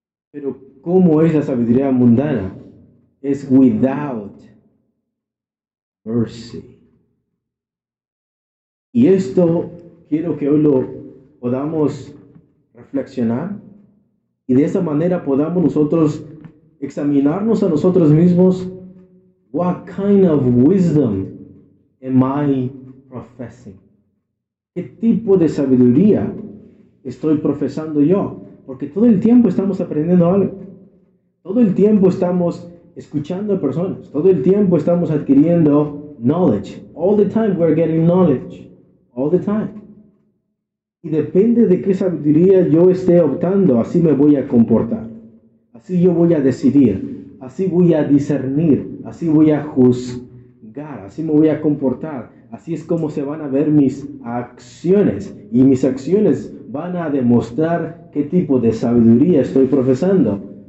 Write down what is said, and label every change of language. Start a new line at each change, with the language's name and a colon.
Spanish: Pero ¿cómo es la sabiduría mundana? Es
English: without mercy.
Spanish: Y esto quiero que hoy lo podamos reflexionar, y de esa manera podamos nosotros examinarnos a nosotros mismos.
English: What kind of wisdom am I professing?
Spanish: ¿Qué tipo de sabiduría estoy profesando yo? Porque todo el tiempo estamos aprendiendo algo. Todo el tiempo estamos escuchando a personas. Todo el tiempo estamos adquiriendo knowledge.
English: All the time we're getting knowledge. All the time.
Spanish: Y depende de qué sabiduría yo esté optando, así me voy a comportar. Así yo voy a decidir. Así voy a discernir. Así voy a juzgar, así me voy a comportar. Así es como se van a ver mis acciones. Y mis acciones van a demostrar qué tipo de sabiduría estoy profesando.